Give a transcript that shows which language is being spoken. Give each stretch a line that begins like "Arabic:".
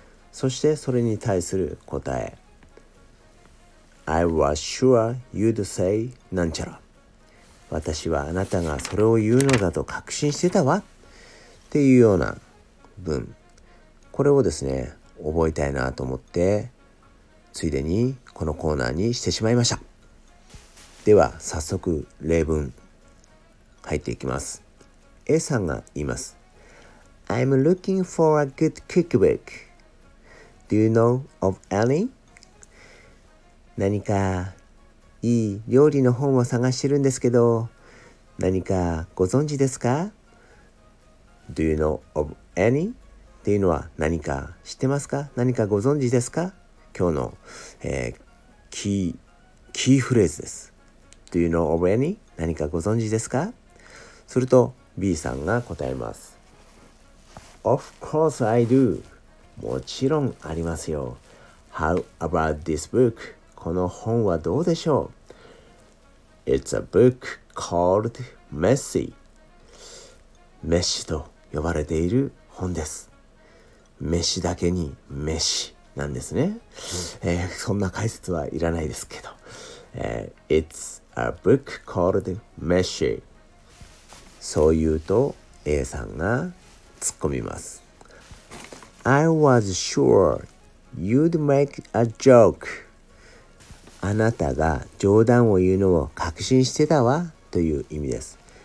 Japanese: そしてそれに対する答え、
English: I was sure you'd say
Japanese: なんちゃら、私はあなたがそれを言うのだと確信してたわっていうような文、これをですね、覚えたいなと思って、ついでにこのコーナーにしてしまいました。では、早速例文、入っていきます。 A さんが言います。
English: I'm looking for a good cookbook. Do you know of any?
Japanese: 何かいい料理の本を探してるんですけど、何かご存知ですか?
English: Do you know of any?
Japanese: っていうのは、何か知ってますか、何かご存知ですか、今日の、キーフレーズです。
English: Do you know of any?
Japanese: 何かご存知ですか。すると B さんが答えます。
English: Of course I do.
Japanese: もちろんありますよ。
English: How about this book?
Japanese: この本はどうでしょう。
English: It's a book called Messy.
Japanese: メッシと呼ばれている本です。飯だけに飯なんですね。そんな解説はいらないですけど、
English: It's a book called Messy。
Japanese: そう言うと A さんが突っ込みます。
English: I was sure you'd make a joke。
Japanese: あなたが冗談を言うのを確信してたわという意味です。